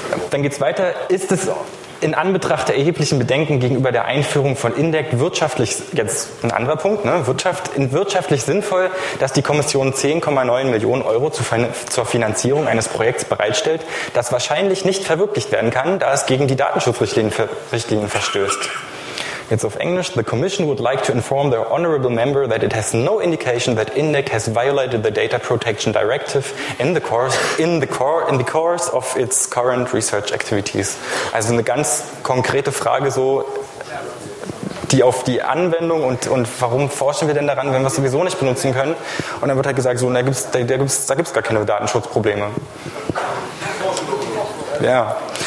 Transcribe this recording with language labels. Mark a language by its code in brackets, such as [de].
[de] Dann geht's weiter. Ist es in Anbetracht der erheblichen Bedenken gegenüber der Einführung von INDECT wirtschaftlich, jetzt ein anderer Punkt, ne, wirtschaftlich sinnvoll, dass die Kommission 10,9 Millionen Euro zur Finanzierung eines Projekts bereitstellt, das wahrscheinlich nicht verwirklicht werden kann, da es gegen die Datenschutzrichtlinien verstößt? [en] It's of English. The Commission would like to inform the Honorable Member that it has no indication that INDEC has violated the Data Protection Directive in the course of its current research activities. [de] Also eine ganz konkrete Frage so, die auf die Anwendung und warum forschen wir denn daran, wenn wir es sowieso nicht benutzen können? Und dann wird halt gesagt, so, da gibt's gar keine Datenschutzprobleme. Ja.